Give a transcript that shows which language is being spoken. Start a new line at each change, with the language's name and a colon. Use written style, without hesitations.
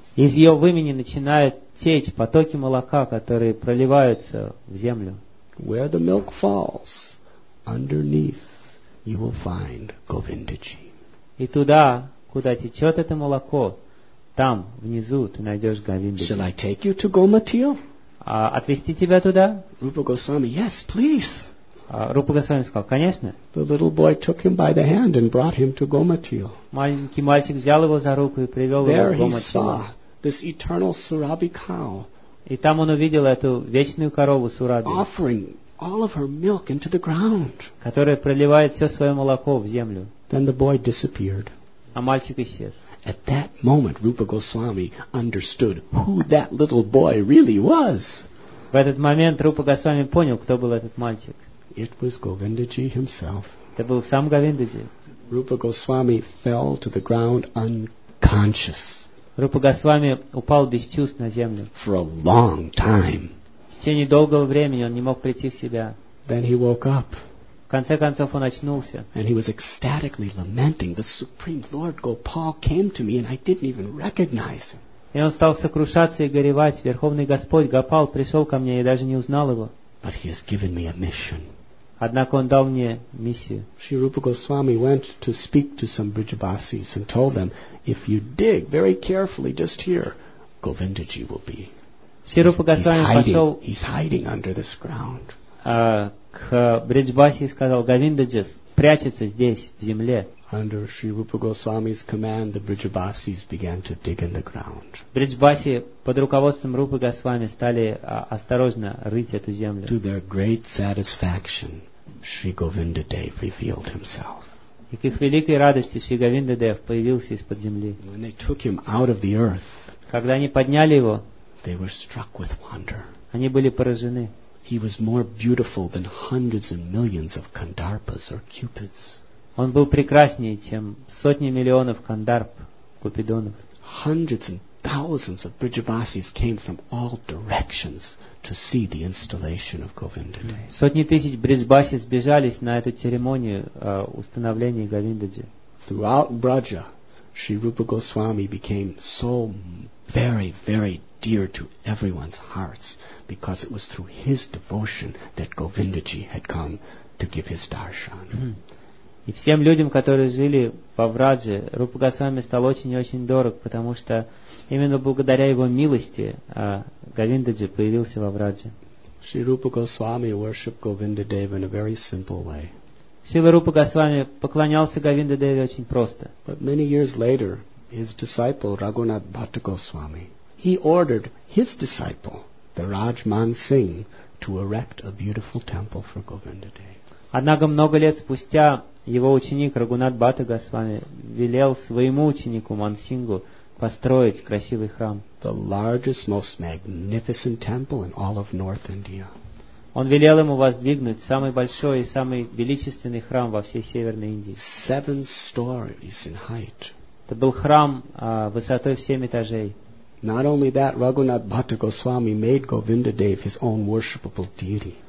Russian: Из ее вымени начинает течь потоки молока, которые проливаются в землю.
English: Where the milk falls, underneath you will find Govindaji.
Russian: И туда, куда течет это молоко, там, внизу, ты найдешь Говиндаджи.
English: Shall I take you to Gomatil?
Russian: Отвезти тебя туда?
English: Rupa Goswami, yes, please.
Russian: Rupa Goswami сказал, конечно.
English: The little boy took him by the hand and brought him to Gomatil.
Russian: Маленький мальчик взял его за руку и привел
English: There
Russian: его в Gomatil.
English: He saw this eternal Surabhi cow.
Russian: И там он увидел эту вечную корову Сураби.
English: Offering all of her milk into the ground.
Russian: Которая проливает все свое молоко в землю.
English: Then the boy disappeared.
Russian: А мальчик исчез.
English: At that moment, Rupa Goswami understood who that little boy really was.
Russian: В этот момент Рупа Госвами понял, кто был этот мальчик.
English: It was Govindaji himself.
Russian: Это был сам Говиндаджи.
English: Rupa Goswami fell to the ground unconscious.
Russian: Рупа Госвами упал без чувств на землю.
English: For a long time.
Russian: В течение долгого времени он не мог прийти в себя.
English: Then he woke up.
Russian: В конце концов он очнулся.
English: And he was ecstatically lamenting, "The Supreme Lord Gopal came to me and I didn't even recognize him."
Russian: И он стал сокрушаться и горевать. Верховный Господь Гопал пришел ко мне и даже не узнал его.
English: But he has given me a mission.
Russian: Однако он дал мне миссию.
English: Sri Rupa Goswami went to speak to some Brijabasis and told them, "If you dig very carefully just here, Govindaji will be."
Russian: Sri Rupa Goswami пошел.
English: He's hiding under this ground.
Russian: К Бриджбаси сказал, Говиндаджи прячется здесь, в земле.
English: Under Sri Rupa Goswami's command, the Brijabasis began to dig in the ground.
Russian: Бриджбаси под руководством Рупы Госвами стали осторожно рыть эту землю.
English: To their great satisfaction, Sri Govindadev revealed himself.
Russian: И к их великой радости Sri Govindadev появился из-под земли.
English: When they took him out of the earth,
Russian: когда они подняли его,
English: they were struck with wonder.
Russian: Они были поражены.
English: He was more beautiful than hundreds and millions of Kandarpas or Cupids.
Russian: Он был прекраснее, чем сотни миллионов кандарп, купидонов.
English: hundreds and thousands of Vrijavasis came from all directions to see the installation of Govinda.
Russian: Сотни тысяч Бриджбасис сбежались на эту церемонию установления Говиндаджи.
English: Throughout Braja, Sri Rupa Goswami became so very, very dear to everyone's hearts because it was through his devotion that Govindaji had come to give his darshan.
Russian: И всем людям, которые жили во Врадже, Рупа Госвами стал очень и очень дорог, потому что именно благодаря его милости Говиндаджи появился во Врадже.
English: Шри Рупа Госвами worshipped Govinda Deva in a very simple way.
Russian: Шрила Рупа Госвами поклонялся Говинда Деве очень просто.
English: But many years later, his disciple Raghunath Bhatta Goswami, he ordered his disciple, the Raj Man Singh, to erect a beautiful temple for Govinda Deva.
Russian: Однако много лет спустя его ученик Рагунат Бхатта Госвами велел своему ученику Мансингу построить красивый храм.
English: The largest, most magnificent temple in all of North India.
Russian: Он велел ему воздвигнуть самый большой и самый величественный храм во всей Северной Индии.
English: 7 stories in height.
Russian: Это был храм высотой в 7 этажей.
English: Not only that, Рагунат Бхатта Госвами made Govinda Dev his own worshipable deity.